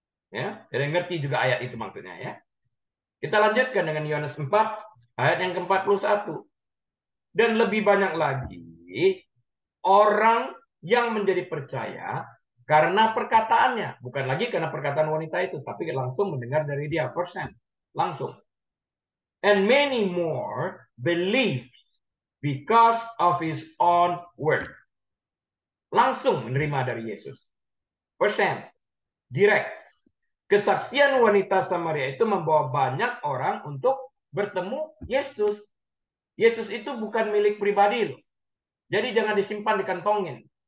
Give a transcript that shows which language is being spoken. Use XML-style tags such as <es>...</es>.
<id>Ya, jadi ngerti juga ayat itu maksudnya ya. Kita lanjutkan dengan Yohanes 4 ayat yang ke-41. Dan lebih banyak lagi orang yang menjadi percaya karena perkataannya, bukan lagi karena perkataan wanita itu, tapi langsung mendengar dari dia firsthand, langsung.</id> <en>And many more believe because of his own word.</en> <id>Langsung menerima dari Yesus. Firsthand, direct. Kesaksian wanita Samaria itu membawa banyak orang untuk bertemu Yesus. Yesus itu bukan milik pribadi loh. Jadi jangan disimpan di kantongin.</id>